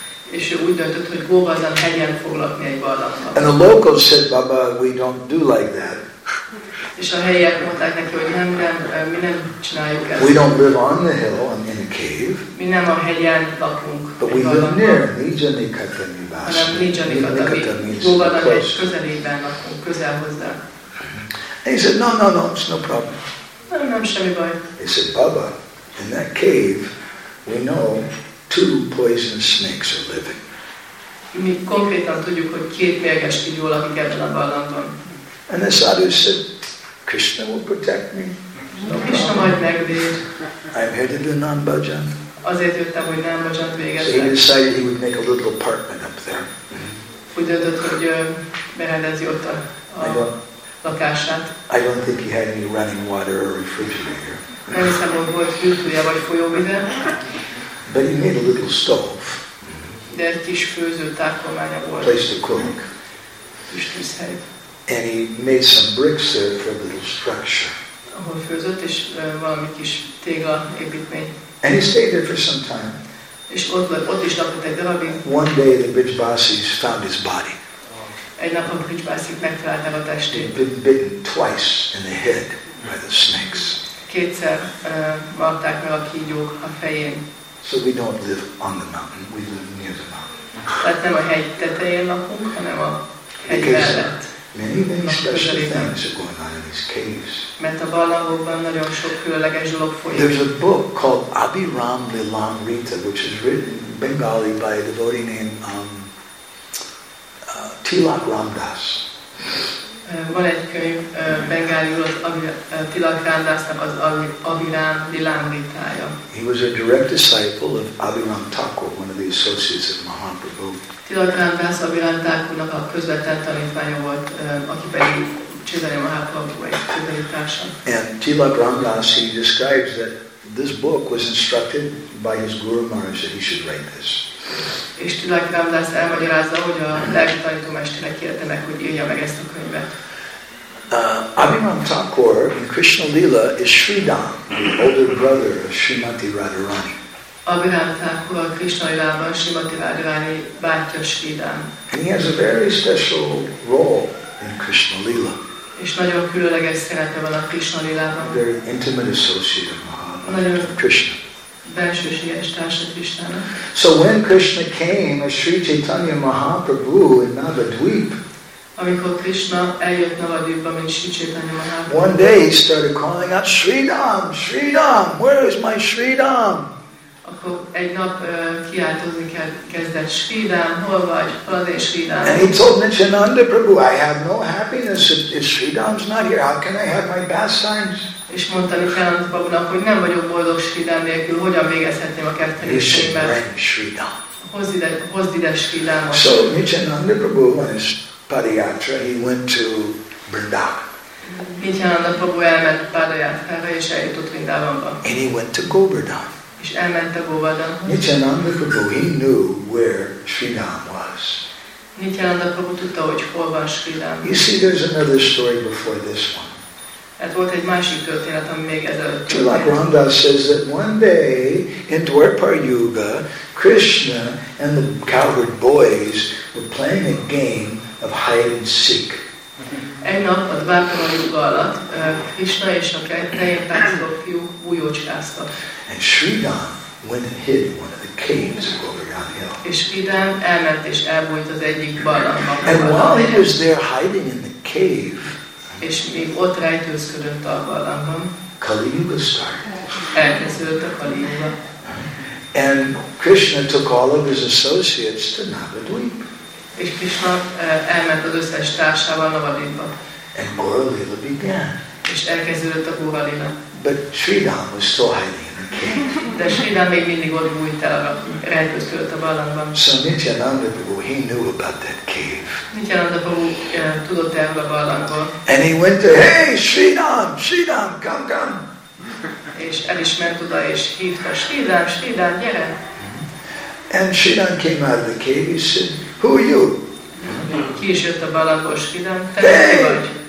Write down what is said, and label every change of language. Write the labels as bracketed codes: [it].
[hu] És ő úgy döntött, hogy Govardhan hegyen fog lakni egy barlangban. [en] And the locals said, Baba, we don't do like that. [hu] És a helyiek mondták neki, hogy nem, mi nem csináljuk ezt. [en] We don't live on the hill, I'm in a cave. [hu] Mi nem a hegyen lakunk. [en] But we live near Nijanikata Nivasa. [hu] Hanem Nijanikata, mi Govardhan hegy közelében lakunk, közel hozzá. [en] And he said, no, it's no problem. [hu] Nem, semmi baj. [en] He said, Baba, in that cave, we know two poisonous snakes are living. [hu] Mi konkrétan tudjuk, hogy két mérges kígyó lakik ebben a barlangban. [en] And the sadhu said, Krishna will protect me. [hu] No Krishna majd megvéd. [en] I'm here to do non-bhajan. [hu] Azért jöttem, hogy non-bhajant végezzek. [en] So he decided he would make a little apartment up there. [hu] Úgy döntött, hogy berendezi ott a lakását. [en] I don't think he had any running water or refrigerator. [hu] Nem hiszem, hogy volt hűtője vagy folyóvize. [en] But he made a little stove. [hu] De egy kis főző tápolmánya volt. [en] Placed a cook. [hu] Kis tűzhely. [en] And he made some bricks there for a little structure. [hu] Ahol főzött, és valami kis tégla építmény. [en] And he stayed there for some time. [hu] És ott is lakott egy darabig. [en] One day the Vrijbhasis found his body. [hu] Egy nap a Vrijbhasik megtalálták a testét. [en] He'd been bitten twice in the head by the snakes. [hu] Kétszer marták meg a kígyók a fején. [en] So we don't live on the mountain, we live near the mountain. [hu] Nem a hegy tetején lakunk, hanem a hegy mellett. [en] Many special things are going on in these caves. [hu] Mert a barlangokban nagyon sok különleges dolog folyik. [en] There's a book called Abhiram Lilamrita, which is written in Bengali by a devotee named Tilak Ramdas. [hu] Van egy könyv bengáliul az Tilak Ramdásnak az Abhiram Lilamritája. [en] He was a direct disciple of Abhiram Thakur, one of the associates of Mahaprabhu. [hu] Tilak Ramdás Abhiram Thakurnak a közvetett tanítványa volt, aki pedig Chaitanya Mahaprabhu egy közeli társa. [en] And Tilak Ramdás, he describes that this book was instructed by his Guru Maharaj that he should write this. [hu] És Tilak Ramdás elmagyarázza, hogy a lelki tanító mesterek kérte meg, hogy írja meg ezt a könyvet. [en] Abhiram Thakur in Krishna Lila is Sridhar, the older brother of Srimati Radharani. [hu] Abhiram Thakur a Krishna Lilában Srimati Radharani bátyja Sridhar. [en] And he has a very special role in Krishna Lila. [hu] És nagyon különleges szerepe van a Krishna Lilában. [en] A very intimate associate of Krishna. [hu] Bensőséges társa Krishnának. [en] So when Krishna came as Sri Chaitanya Mahaprabhu in Navadvip, [hu] amikor Krishna eljött Navadvipba, mint Sri Chaitanya Mahaprabhu. [en] One day he started calling out, Sridham, Sridham, where is my Sridham? [hu] Akkor egy nap kiáltozni kezdett, Sridham, hol vagy? Hol az én Sridham? [en] And he told Nityananda Prabhu, I have no happiness if Sridham's not here. How can I have my pastimes? [hu] És mondta Nityananda Prabhunak, hogy nem vagyok boldog Sridham nélkül, hogyan végezhetném a kertelésében? Hozd ide Sridhamot. [en] So Nityananda Prabhu on his padayatra, he went to Vrindavan. [hu] Nityananda Prabhu elment padayatrára, és eljutott Vrindavanba. [en] And he went to Govardhan. [hu] És elment a Govardhanhoz. [en] Nityananda Prabhu, he knew where Sridham was. [hu] Nityananda Prabhu tudta, hogy hol van Sridham. [en] You see, there's another story before this one. [hu] Ez volt egy másik történet, ami még ezelőtt. Csak [en] like Ram Dass says that one day in Dwarpar Yuga, Krishna and the cowherd boys were playing a game of hide and seek. [hu] Egy nap a Dwarpar Yuga alatt Krishna és a tejpárcok fiúk bujócskáztak. [en] And Sridhar went and hid in one of the caves of Govardhan Hill. [hu] És Sridhar elment és elbújt az egyik barlangban. [en] And while he was there hiding in the cave, [hu] és még ott rejtőzködött a barlangban. [en] Kali Yuga started. [hu] Elkezdődött a Kali Yuga. [en] And Krishna took all of his associates to Navadvip. [hu] És Krishna elment az összes társával Navadvipba. [en] And Gauralila began. [hu] És elkezdődött a Gauralila. [en] But Sridhar was still hiding. [hu] De Sridhar még mindig ott bújt el, rejtőzködött a barlangban. [en] So Nityananda Prabhu, he knew about that cave. [hu] Nityananda Prabhu tudott erről a barlangban. [en] And he went to, hey, Sridhar, Sridhar, come, come. [hu] És el is ment oda, és hívta, Sridhar, Sridhar, gyere. [en] And Sridhar came out of the cave, he said, who are you? [hu] Ki is jött a barlangból, Sridhar, te vagy?